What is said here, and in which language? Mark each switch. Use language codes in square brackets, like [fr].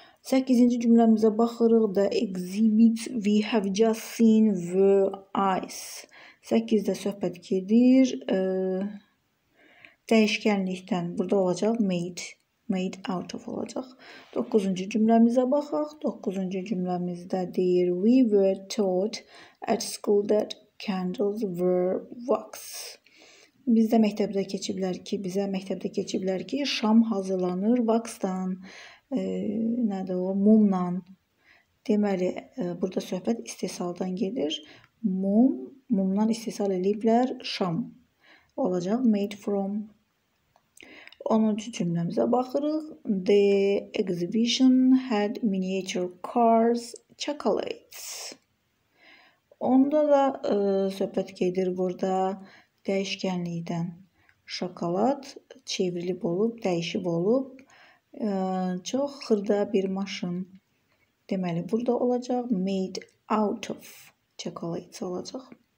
[az] 8-ci cümləmizə baxırıq da [en] exhibits we have just seen were ice. [az] 8-də söhbət gedir. Dəyişkənlikdən burada olacaq made. Made out of olacaq. 9-cu cümləmizə baxaq. 9-cu cümləmizdə deyir [en] we were taught at school that candles were wax. [az] Bizdə məktəbdə keçiblər ki, bizə məktəbdə keçiblər ki, şam hazırlanır waxdan. Nədir o? Mumla. Deməli, burada söhbət istehsaldan gelir. Mum, mumdan istehsal ediblər şam. Olacaq made from. 10-cu cümləmizə baxırıq. [en] The exhibition had miniature cars, chocolates. [az] Onda da söhbət gedir burada dəyişkənlikdən. Şokolad çevrilib olub, dəyişib olub. Çox xırda bir maşın. Deməli, burada olacaq made out of chocolates olacaq.